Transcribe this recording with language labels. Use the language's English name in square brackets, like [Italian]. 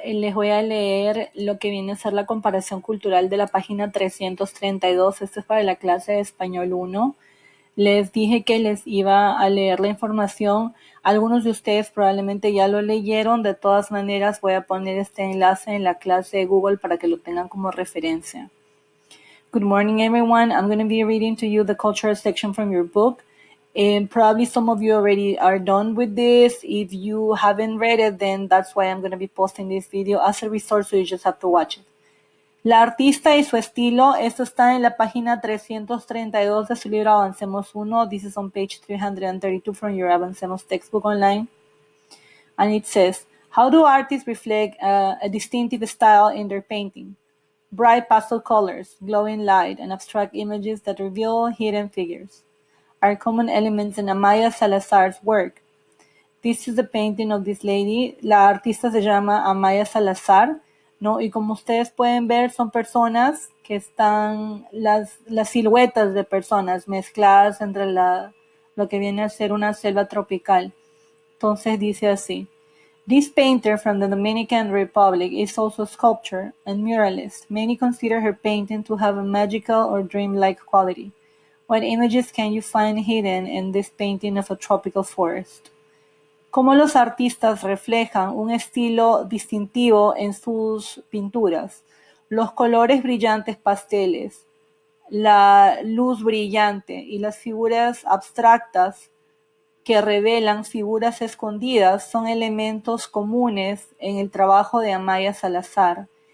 [Spanish] Les voy a leer lo que viene a ser la comparación cultural de la página 332. Esto es para la clase de español 1. Les dije que les iba a leer la información. Algunos de ustedes probablemente ya lo leyeron. De todas maneras, voy a poner este enlace en la clase de Google para que lo tengan como referencia. [English] Good morning, everyone. I'm going to be reading to you the cultural section from your book. And probably some of you already are done with this. If you haven't read it, then that's why I'm going to be posting this video as a resource, so you just have to watch it. [Spanish] La artista y su estilo. Esto está en la página 332 de su libro Avancemos 1. [English] This is on page 332 from your Avancemos textbook online. And it says, how do artists reflect a distinctive style in their painting? Bright pastel colors, glowing light, and abstract images that reveal hidden figures are common elements in Amaya Salazar's work. This is the painting of this lady. [Spanish] La artista se llama Amaya Salazar, ¿no? Y como ustedes pueden ver, son personas que están, las siluetas de personas mezcladas entre lo que viene a ser una selva tropical. Entonces dice así. [English] This painter from the Dominican Republic is also a sculptor and muralist. Many consider her painting to have a magical or dreamlike quality. What images can you find hidden in this painting of a tropical forest? [Spanish] ¿Cómo los artistas reflejan un estilo distintivo en sus pinturas? Los colores brillantes pasteles, la luz brillante y las figuras abstractas que revelan figuras escondidas son elementos comunes en el trabajo de Amaya Salazar.